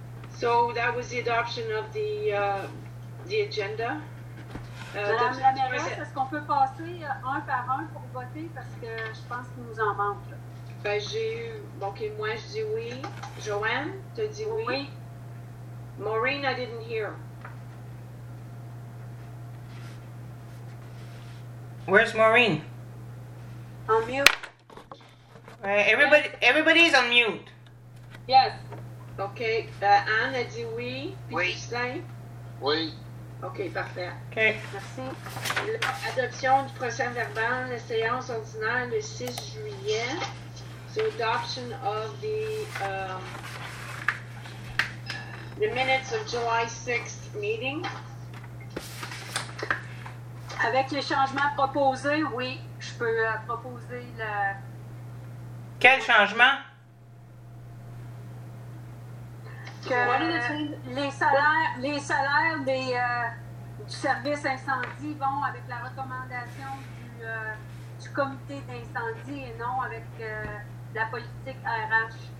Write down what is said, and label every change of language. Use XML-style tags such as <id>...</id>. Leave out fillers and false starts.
<en>So, that was the adoption of the agenda.</en> <fr>Madame la mairesse, est-ce qu'on peut passer un par un pour voter? Parce que je pense qu'il nous en manque, là. Ben, j'ai eu. Donc, okay, moi, je dis oui. Joanne, t'as dit oui? Oui.</fr> <en>Maureen, I didn't hear. Where's Maureen? On mute. Everybody's on mute. Yes.</en> <fr>Okay. Anne a dit oui. Oui. Justin? Oui. Okay, parfait. Okay. Merci. Adoption du procès verbal, la séance ordinaire le 6 juillet.</fr> <en>So adoption of the minutes of July 6th meeting.</en> <fr>Avec les changements proposés, oui, je peux proposer le... Quel changement? Que les salaires des, du service incendie vont avec la recommandation du comité d'incendie et non avec la politique RH.</fr>